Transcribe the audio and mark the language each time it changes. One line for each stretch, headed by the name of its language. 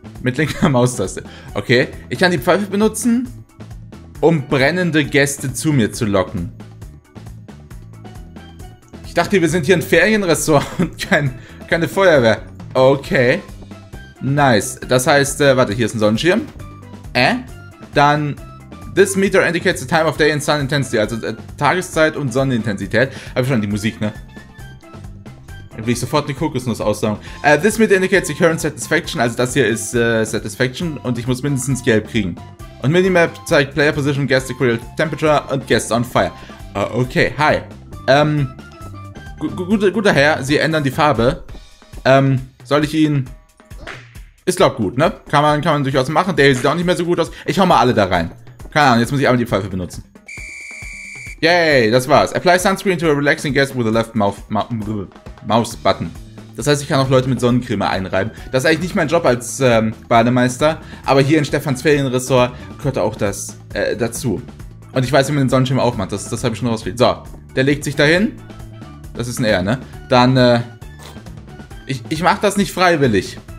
German: Mit linker Maustaste. Okay. Ich kann die Pfeife benutzen, um brennende Gäste zu mir zu locken. Ich dachte, wir sind hier ein Ferienressort und keine Feuerwehr. Okay. Nice. Das heißt, warte, hier ist ein Sonnenschirm. Dann,
English: this meter indicates the time of day and sun intensity.
German: Also Tageszeit und Sonnenintensität. Hab ich schon die Musik, ne? Dann will ich sofort eine Kokosnuss aussaugen.
English: This meter indicates the current satisfaction.
German: Also das hier ist Satisfaction und ich muss mindestens gelb kriegen. Und Minimap zeigt Player Position, Guest Equal Temperature und Guest on Fire. Okay, hi. Guter Herr, Sie ändern die Farbe. Soll ich Ihnen... Ist glaub gut, ne? Kann man durchaus machen. Der hier sieht auch nicht mehr so gut aus. Ich hau mal alle da rein. Keine Ahnung, jetzt muss ich einmal die Pfeife benutzen. Yay, das war's.
English: Apply sunscreen to a relaxing guest with the left mouse button.
German: Das heißt, ich kann auch Leute mit Sonnencreme einreiben. Das ist eigentlich nicht mein Job als Bademeister, aber hier in Stefans Ferienressort gehört auch das dazu. Und ich weiß, wie man den Sonnenschirm aufmacht. Das habe ich schon rausgefunden. So, der legt sich dahin. Das ist ein R, ne? Dann, ich mache das nicht freiwillig.